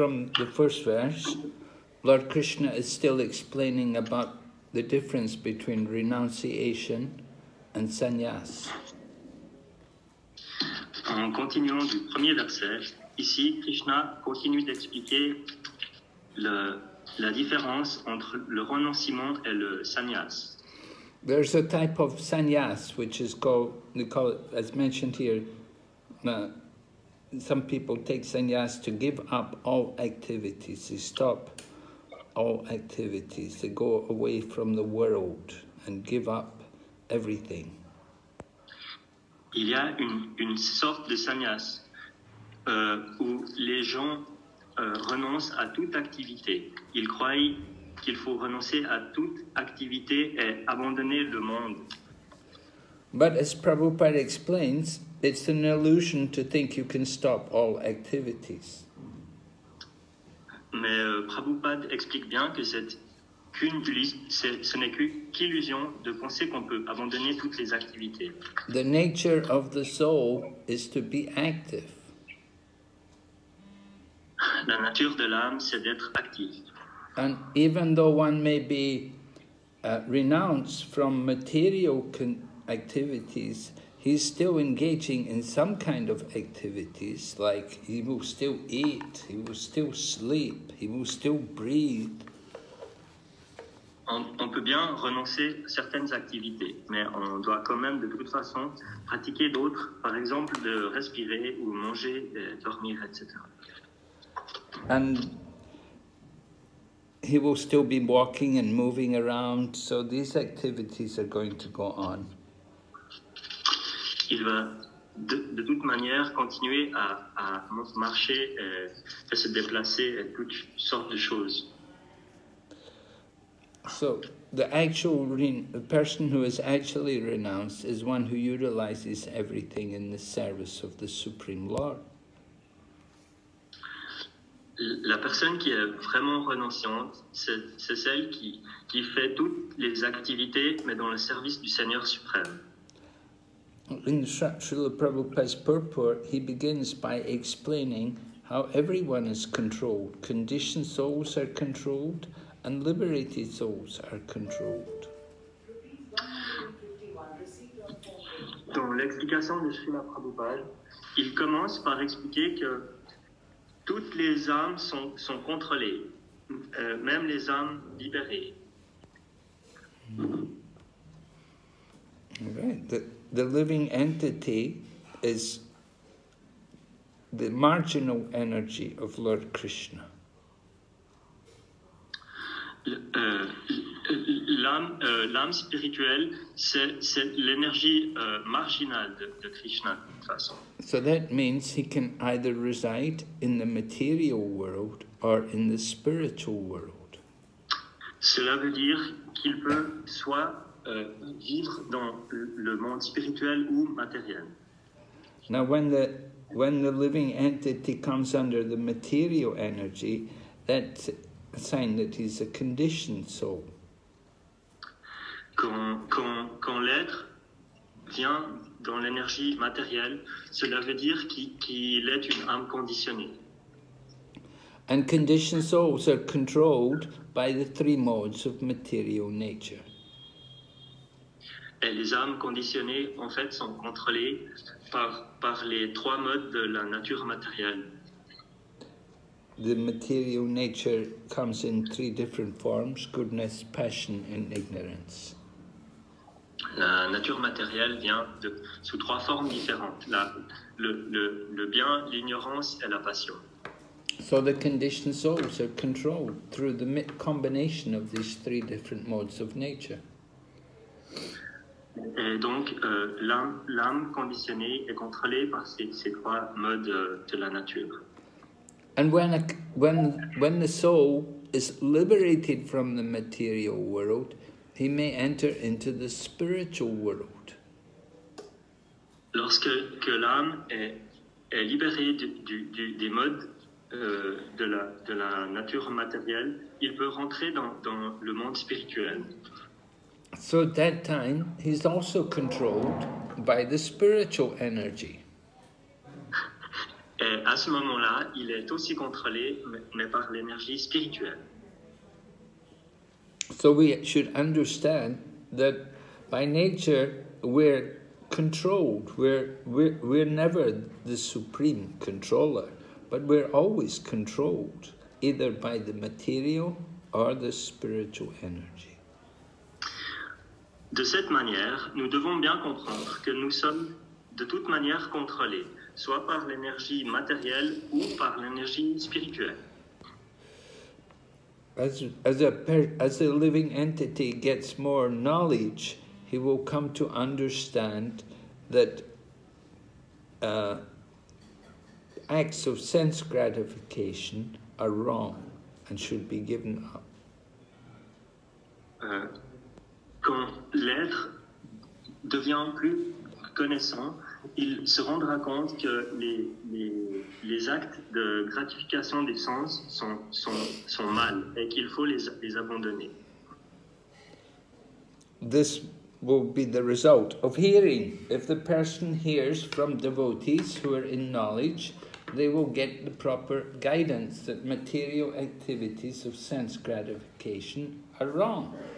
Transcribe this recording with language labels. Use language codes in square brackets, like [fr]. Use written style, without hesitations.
[en] from the first verse, Lord Krishna is still explaining about the difference between renunciation and sannyas. [fr] En continuant du premier verset, ici Krishna continue d'expliquer la différence entre le renoncement et le sannyas. [en] There's a type of sannyas which is called, they call it, as mentioned here, some people take sannyas to give up all activities, they stop all activities, they go away from the world and give up everything. [fr] Il y a une sorte de sannyas où les gens renoncent à toute activité. Ils croient qu'il faut renoncer à toute activité et abandonner le monde. [en] But as Prabhupada explains, it's an illusion to think you can stop all activities. [fr] Mais Prabhupada explique bien que ce n'est qu'illusion de penser qu'on peut abandonner toutes les activités. [en] The nature of the soul is to be active. [fr] La nature de l'âme, c'est d'être active. [en] And even though one may be renounced from material activities, he's still engaging in some kind of activities, like he will still eat, he will still sleep, he will still breathe. [fr] On peut bien renoncer à certaines activités, mais on doit quand même de toute façon pratiquer d'autres, par exemple de respirer ou manger, dormir, etc. [en] And he will still be walking and moving around, so these activities are going to go on. [fr] Il va de toute manière continuer à marcher et se déplacer et toutes sortes de choses. [en] So the actual the person who is actually renounced is one who utilizes everything in the service of the Supreme Lord. [fr] La personne qui est vraiment renonciante, c'est celle qui fait toutes les activités mais dans le service du Seigneur suprême. [en] In Srila Prabhupada's purport, he begins by explaining how everyone is controlled. Conditioned souls are controlled and liberated souls are controlled. [fr] Dans l'explication de Srila Prabhupada, il commence par expliquer que toutes les âmes sont contrôlées, même les âmes libérées. [en] The living entity is the marginal energy of Lord Krishna. [fr] L'âme spirituelle, c'est l'énergie marginale de Krishna, de toute façon. [en] So that means he can either reside in the material world or in the spiritual world. [fr] Cela veut dire qu'il peut soit vivre dans le monde spirituel ou matériel. [en] Now when the living entity comes under the material energy, that's a sign that he's a conditioned soul. [fr] Quand l'être vient dans l'énergie matérielle, cela veut dire qu'il est une âme conditionnée. [en] And conditioned souls are controlled by the three modes of material nature. [fr] Et les âmes conditionnées, en fait, sont contrôlées par les trois modes de la nature matérielle. [en] The material nature comes in three different forms: goodness, passion, and ignorance. [fr] La nature matérielle vient sous trois formes différentes: le bien, l'ignorance et la passion. [en] So the conditioned souls are controlled through the combination of these three different modes of nature. [fr] Et donc l'âme conditionnée est contrôlée par ces trois modes de la nature. [en] And when the soul is liberated from the material world, he may enter into the spiritual world. [fr] Lorsque l'âme est libérée des modes de la nature matérielle, il peut rentrer dans le monde spirituel. [en] So at that time, he's also controlled by the spiritual energy. [fr] Et à ce moment-là, il est aussi contrôlé, mais par l'énergie spirituelle. [en] So we should understand that by nature, we're controlled, we're never the supreme controller, but we're always controlled, either by the material or the spiritual energy. [fr] De cette manière, nous devons bien comprendre que nous sommes de toute manière contrôlés, soit par l'énergie matérielle ou par l'énergie spirituelle. [en] As a living entity gets more knowledge, he will come to understand that acts of sense gratification are wrong and should be given up. [fr] Quand l'être devient plus connaissant, il se rendra compte que les actes de gratification des sens sont mal et qu'il faut les abandonner. [en] This will be the result of hearing. If the person hears from devotees who are in knowledge, they will get the proper guidance that material activities of sense gratification are wrong.